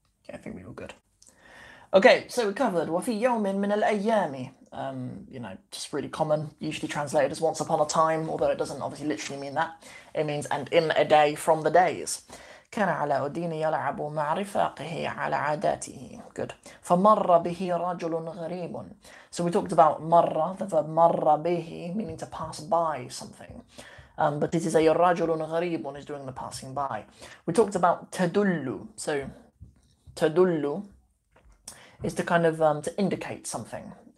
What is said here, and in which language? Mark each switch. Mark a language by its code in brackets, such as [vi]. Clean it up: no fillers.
[en] I think we were good. Okay, so we covered [ar] wafi yomin min al-ayami. [en] Just really common, usually translated as once upon a time, although it doesn't obviously literally mean that. It means and in a day from the days. [ar] كان على أدين يلعب مع رفاقه على عاداته. [en] Good. [ar] فمر به رجل غريب. [en] So we talked about مر, the verb [ar] مر به, [en] meaning to pass by something. But it is a [ar] رجل غريب [en] is doing the passing by. We talked about تدل. So تدل is to kind of to indicate something.